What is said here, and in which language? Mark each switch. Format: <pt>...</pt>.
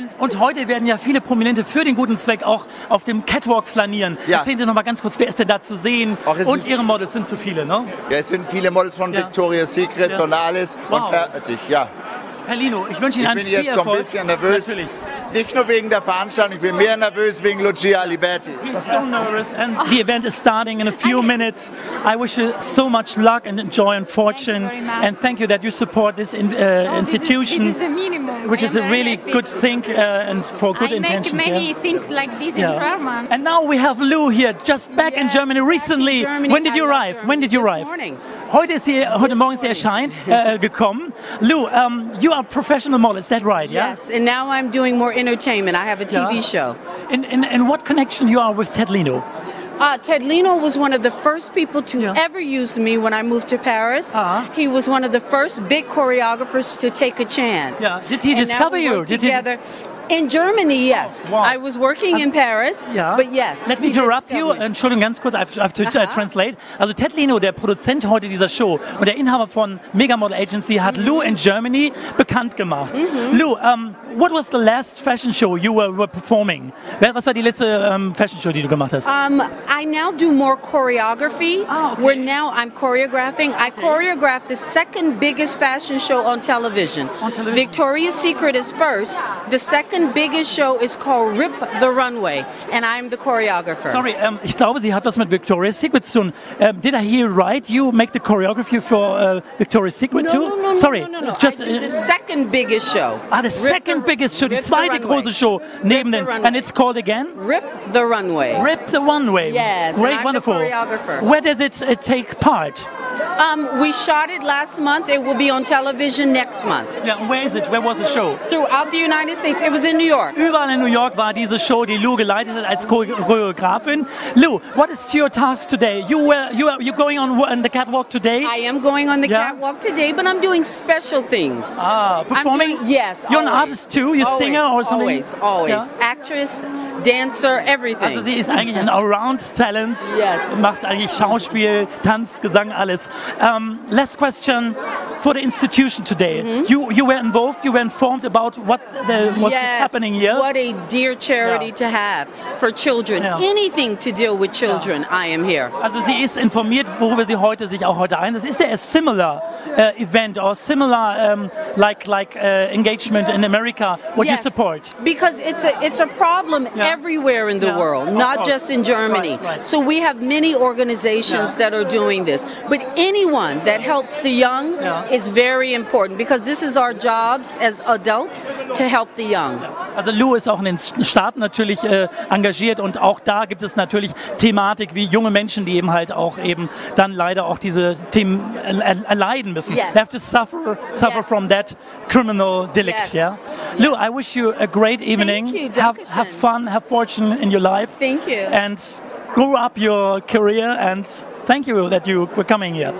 <de>Und heute werden ja viele Prominente für den guten Zweck auch auf dem Catwalk flanieren. Ja. Erzählen Sie noch mal ganz kurz, wer ist denn da zu sehen? Och, und Ihre Models sind zu viele, ne? Ja, es sind viele Models von Victoria's Secret, von Alice und fertig, Herr Lino, ich wünsche Ihnen viel Erfolg. Ich bin jetzt so ein bisschen nervös. Natürlich. Nicht nur wegen der Veranstaltung, ich bin mehr nervös wegen Lucia Eliberti.</de> <en>He's so nervous and the event is starting in a few minutes. I wish you so much luck and joy and fortune. Thank you very much. And thank you that you support this institution. This is the minimum. Which is a really good thing and for good intentions. I make many things like this in German. And now we have Lou here, just back in Germany recently. When did you arrive? This morning.</en> <de>Heute Morgen ist sie gekommen.</de> <en>Lou, you are a professional model, is that right? Yes, and now I'm doing more entertainment. I have a TV show. In what connection you are with Ted Lino? Ted Lino was one of the first people to ever use me when I moved to Paris. He was one of the first big choreographers to take a chance. Yeah. Did he discover you? In Germany, yes. Oh, wow. I was working in Paris, but yes. Let me interrupt you.</en> <de>Entschuldigung, ganz kurz,</de> <en>I have to translate.</en> <de>Also Ted Lino, der Produzent heute dieser Show und der Inhaber von Mega Model Agency, hat Lou</de> <en>in Germany</en> <de>bekannt gemacht. Mm-hmm.</de> <en>Lou, what was the last fashion show you were performing?</en> <de>Was war die letzte Fashion Show, die du gemacht hast?</de> <en>I now do more choreography. Where now I'm choreographing. I choreographed the second biggest fashion show on television. On television. Victoria's Secret is first. The second biggest show is called Rip the Runway, and I'm the choreographer.</en> <de>Sorry, ich glaube, sie hat was mit Victoria's Secret zu tun.</de> <en>Did I hear right? You make the choreography for Victoria's Secret too? No. Just the second biggest show.</en> <de>Die zweite große Show neben den.</de> <en>And it's called again? Rip the Runway. Rip the Runway. Yes. Great, and I'm wonderful. The choreographer. Where does it take part? We shot it last month. It will be on television next month. Yeah, where is it? Where was the show? Throughout the United States. It was in New York.</en> <de>Überall in New York war diese Show, die Lou geleitet hat als Choreografin.</de> <en>Lou, what is your task today? You're going on the catwalk today? I am going on the catwalk today, but I'm doing special things. Performing? Yes. You're always an artist too? You're a singer or something? Always. Yeah? Actress, dancer, everything.</en> <de>Also sie ist eigentlich ein Allround Talent.</de> <en>Yes.</en> <de>Macht eigentlich Schauspiel, Tanz, Gesang, alles.</de> <en>Last question for the institution today.</en> <de>Mm-hmm.</de> <en>You were involved, you were informed about what's happening here. What a dear charity to have for children. Yeah. Anything to deal with children, I am here.</en> <de>Also sie ist informiert, worüber sie sich heute auch einsetzt.</de> <en>Ist there a similar event or similar engagement in America would you support? Because it's a problem everywhere in the world, not just in Germany. Right. So we have many organizations that are doing this. But anyone that helps the young is very important, because this is our jobs as adults to help the young.</en> <de>Also Lou ist auch in den Staaten natürlich engagiert, und auch da gibt es natürlich Thematik wie junge Menschen, die eben halt auch eben dann leider auch diese Themen erleiden müssen.</de> <en>Yes. They have to suffer from that criminal delict. Yeah. Lou, I wish you a great evening. Thank you. Have fun, have fortune in your life. Thank you. And grow up your career, and thank you that you were coming here.</en>